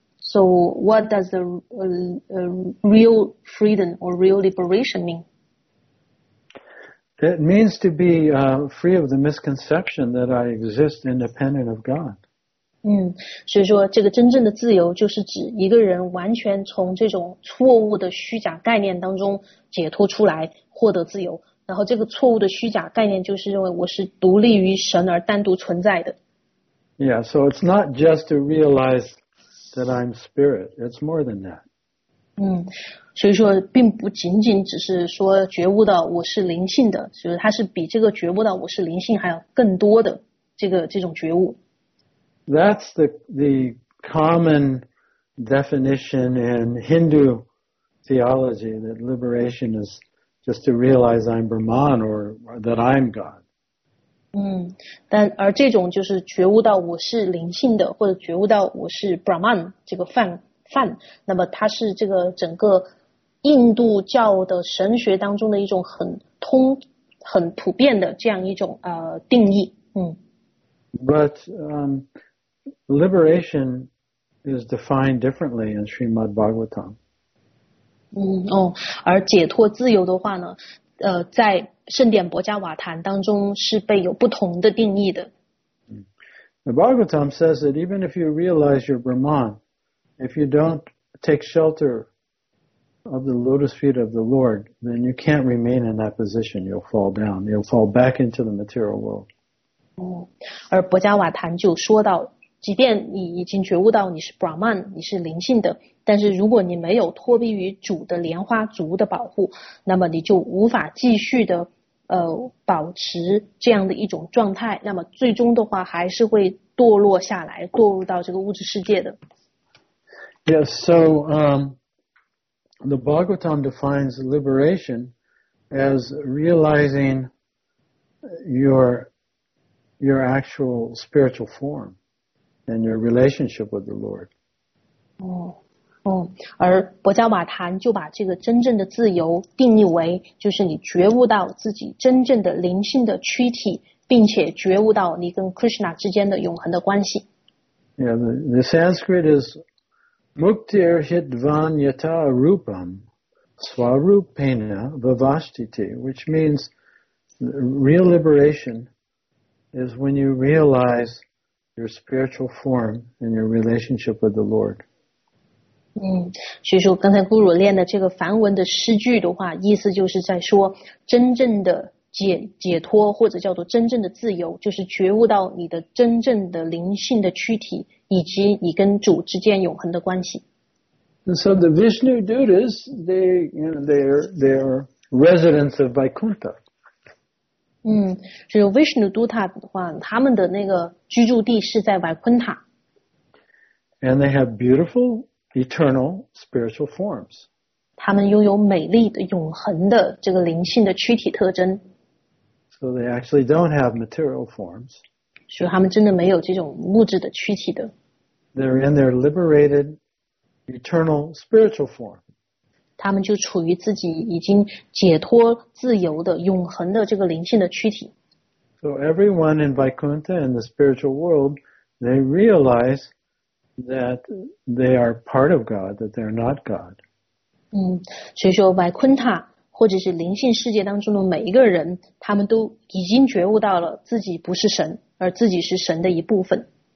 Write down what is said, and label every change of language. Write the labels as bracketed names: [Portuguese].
[English] So what does the real freedom or real liberation mean? It means to be free of the misconception that I exist independent of God. [Chinese] 所以说这个真正的自由就是指一个人完全从这种错误的虚假概念当中解脱出来，获得自由。然后这个错误的虚假概念就是认为我是独立于神而单独存在的。 [English] Yeah, so it's not just to realize that I'm spirit. It's more than that. [Chinese] 所以说并不仅仅只是说觉悟到我是灵性的，就是它是比这个觉悟到我是灵性还要更多的这种觉悟。 [English] That's the common definition in Hindu theology that liberation is just to realize I'm Brahman or that I'm God. [Chinese] 但而这种就是觉悟到我是灵性的，或者觉悟到我是 Brahman 这个范，那么它是这个整个印度教的神学当中的一种很普遍的这样一种定义。 [English] But liberation is defined differently in Srimad Bhagavatam. [Chinese] 而解脱自由的话呢，在圣典薄伽瓦坛当中是被有不同的定义的。 [English] The Bhagavatam says that even if you realize you're Brahman, if you don't take shelterof the lotus feet of the Lord, then you can't remain in that position. You'll fall down. You'll fall back into the material world. [Chinese] 而薄伽瓦坛就说到，即便你已经觉悟到你是 Brahman, 你是灵性的，但是如果你没有脱离于主的莲花足的保护，那么你就无法继续的保持这样的一种状态，那么最终的话还是会堕落下来，堕入到这个物质世界的。 [English] Yes, so, The Bhagavatam defines liberation as realizing your actual spiritual form and your relationship with the Lord. [Chinese] 而薄伽瓦坛就把这个真正的自由定义为就是你觉悟到自己真正的灵性的躯体，并且觉悟到你跟 Krishna 之间的永恒的关系。 [English] Yeah, the Sanskrit is [Sanskrit] Muktir hitvanyata rupam Swarupena Vavashtiti, [English] which means real liberation is when you realize your spiritual form and your relationship with the Lord. [Chinese] 嗯，所以说刚才咕噜练的这个梵文的诗句的话，意思就是在说真正的解脱或者叫做真正的自由，就是觉悟到你的真正的灵性的躯体以及你跟主之间永恒的关系。 [English] And so the Vishnu Dutas, they are residents of Vaikuntha. [Chinese] 嗯，所以 Vishnu Duta 的话，他们的那个居住地是在 Vaikuntha. [English] And they have beautiful eternal spiritual forms. [Chinese] 他们拥有美丽的永恒的这个灵性的躯体特征。 [English] So they actually don't have material forms. [Chinese] 所以他们真的没有这种物质的躯体的。 [English] They're in their liberated eternal spiritual form. [Chinese] 他们就处于自己已经解脱自由的永恒的这个灵性的躯体。 [English] So everyone in Vaikuntha and the spiritual world, they realize that they are part of God, that they're not God. [Chinese] 嗯，所以说 Vaikuntha或者是灵性世界当中的每一个人，他们都已经觉悟到了自己不是神，而自己是神的一部分。